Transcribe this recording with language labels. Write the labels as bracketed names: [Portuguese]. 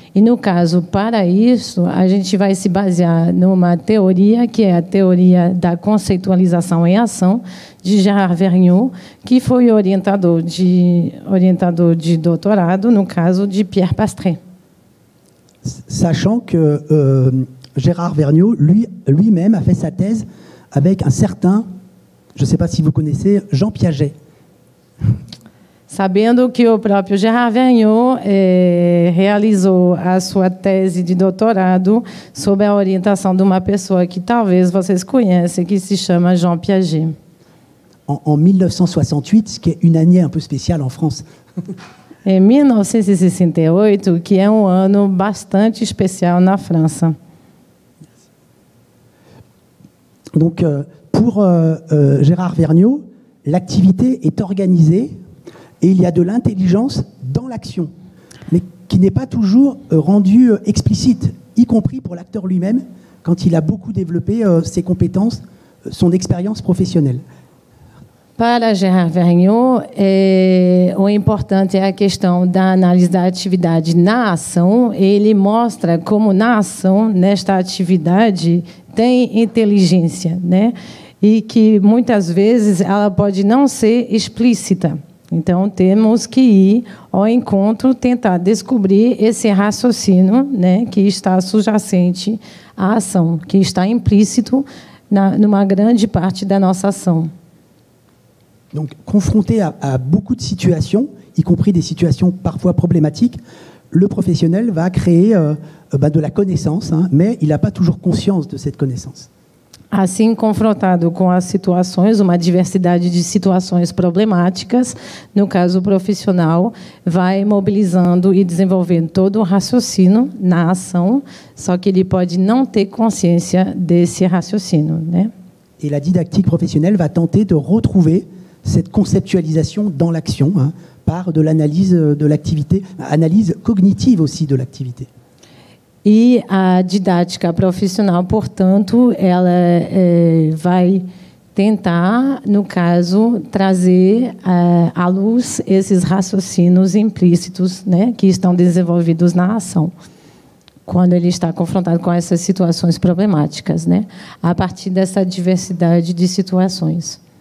[Portuguese] E, no caso, para isso, a gente vai se basear numa teoria, que é a teoria da conceitualização em ação, de Gérard Vergniaud, que foi orientador de doutorado, no caso, de Pierre Pastret. [French] Sachant que Gérard Vergniaud, lui-même, a fait sa thèse avec un certain, je ne sais pas si vous connaissez, Jean Piaget. [Portuguese] Sabendo que o próprio Gérard Vergniaud realizou a sua tese de doutorado sob a orientação de uma pessoa que talvez vocês conhecem, que se chama Jean Piaget. [French] En 1968, ce qui est une année un peu spéciale en France. [Portuguese] em 1968, que é um ano bastante especial na França. [French] Donc pour Gérard Vergniaud, l'activité est organisée et il y a de l'intelligence dans l'action, mais qui n'est pas toujours rendue explicite, y compris pour l'acteur lui-même, quand il a beaucoup développé ses compétences, son expérience professionnelle. [Portuguese] Para Gérard Vergniaud, o importante é a questão da análise da atividade na ação. Ele mostra como na ação, nesta atividade, tem inteligência, né? E que muitas vezes ela pode não ser explícita. Então temos que ir ao encontro, tentar descobrir esse raciocínio, né, que está subjacente à ação, que está implícito numa grande parte da nossa ação. [French] Donc, confronté à beaucoup de situations, y compris des situations parfois problématiques, le professionnel va créer de la connaissance, hein, mais il n'a pas toujours conscience de cette connaissance. [Portuguese] Ainsi, confrontado com as situações, uma diversidade de situações problemáticas, no caso, o profissional vai mobilizando e desenvolvendo todo o raciocínio na ação, só que ele pode não ter consciência desse raciocínio, né? [French] E a didactique professionnelle va tenter de retrouver cette conceptualisation dans l'action, hein, par de l'analyse de l'activité, analyse cognitive aussi de l'activité. [Portuguese] E a didática profissional, portanto, ela vai tentar, no caso, trazer à luz esses raciocínios implícitos, né, que estão desenvolvidos na ação, quando ele está confrontado com essas situações problemáticas, né, a partir dessa diversidade de situações.